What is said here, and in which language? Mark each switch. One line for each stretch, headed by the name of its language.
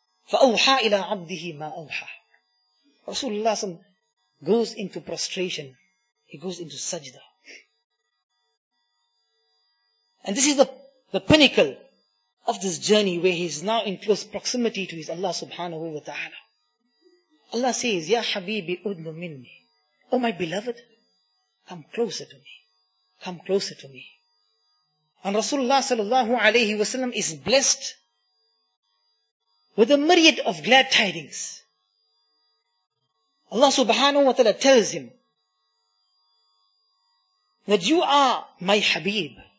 Arabic: فَأَوْحَى إِلَىٰ عَبْدِهِ مَا أَوْحَى.
English: Rasulullah goes into prostration. He goes into sajda. And this is the pinnacle of this journey where he is now in close proximity to his Allah subhanahu wa ta'ala. Allah says,
Arabic: يَا حَبِيبِ أُدْنُ مِنِّي.
English: Oh my beloved, come closer to me. Come closer to me. And Rasulullah sallallahu alayhi wa sallam is blessed with a myriad of glad tidings. Allah subhanahu wa ta'ala tells him that you are my Habib.